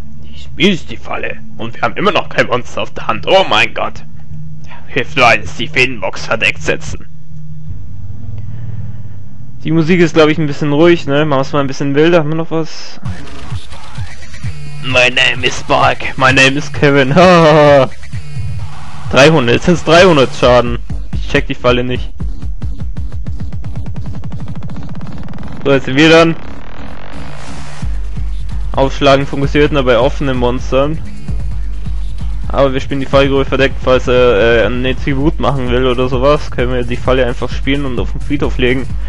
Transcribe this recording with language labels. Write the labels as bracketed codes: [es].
[de] Ich spiele die Falle und wir haben immer noch kein Monster auf der Hand. Oh mein Gott. Ja, hilft nur eines, die Fädenbox verdeckt setzen. Die Musik ist, glaube ich, ein bisschen ruhig, ne? Machen wir es mal ein bisschen wilder, haben wir noch was? [en] My name is Spark, my name is Kevin. [de] 300, jetzt sind es 300 Schaden. Ich check die Falle nicht. So, jetzt sind wir dann. Aufschlagen funktioniert nur bei offenen Monstern. Aber wir spielen die Fallgrube verdeckt, falls er eine Tribut machen will oder sowas, können wir die Falle einfach spielen und auf den Friedhof legen.